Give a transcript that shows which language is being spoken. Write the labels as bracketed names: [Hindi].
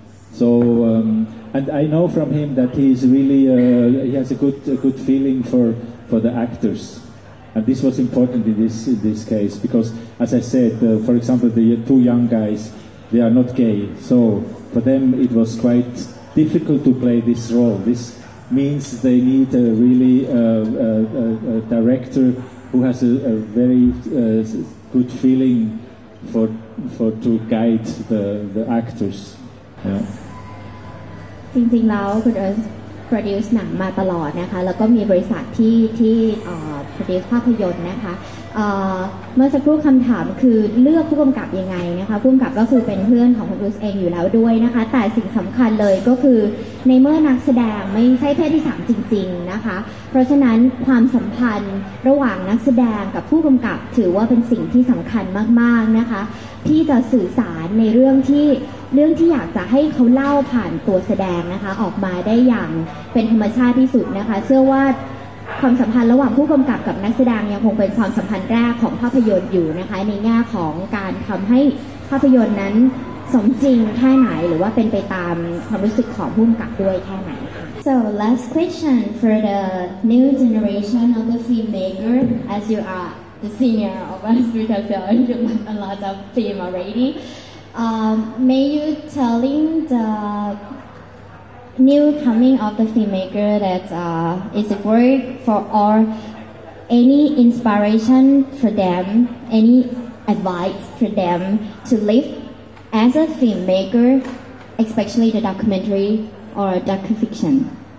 [English] so, and I know from him that he's really, he has a good feeling for the actors, and this was important in this case, because, as I said, for example, the two young guys, they are not gay, so, for them, it was quite difficult to play this role. This means they need a really a director who has a very good feeling for to guide the actors. [Thai] จริงจริงแล้วคุณเอิร์ธ produce หนังมาตลอดนะคะแล้วก็มีบริษัทที่produce ภาพยนตร์นะคะ เมื่อสักครู่คำถามคือเลือกผู้กำกับยังไงนะคะผู้กำกับก็คือเป็นเพื่อนของคุณบรูซเองอยู่แล้วด้วยนะคะแต่สิ่งสำคัญเลยก็คือในเมื่อนักแสดงไม่ใช่เพศที่3จริงๆนะคะเพราะฉะนั้นความสัมพันธ์ระหว่างนักแสดงกับผู้กำกับถือว่าเป็นสิ่งที่สำคัญมากๆนะคะที่จะสื่อสารในเรื่องที่อยากจะให้เขาเล่าผ่านตัวแสดงนะคะออกมาได้อย่างเป็นธรรมชาติที่สุดนะคะเชื่อว่าความสัมพันธ์ระหว่างผู้กำกับกับนักแสดงยังคงเป็นความสัมพันธ์แรกของภาพยนตร์อยู่นะคะในแง่ของการทำให้ภาพยนตร์นั้นสมจริงแค่ไหนหรือว่าเป็นไปตามความรู้สึกของผู้กำกับด้วยแค่ไหน [English] So last question for the new generation of the filmmaker as you are the senior of us because you have a lot of film already may you telling thenew coming of the filmmaker that is a work for or any inspiration for them any advice for them to live as a filmmaker especially the documentary or docufiction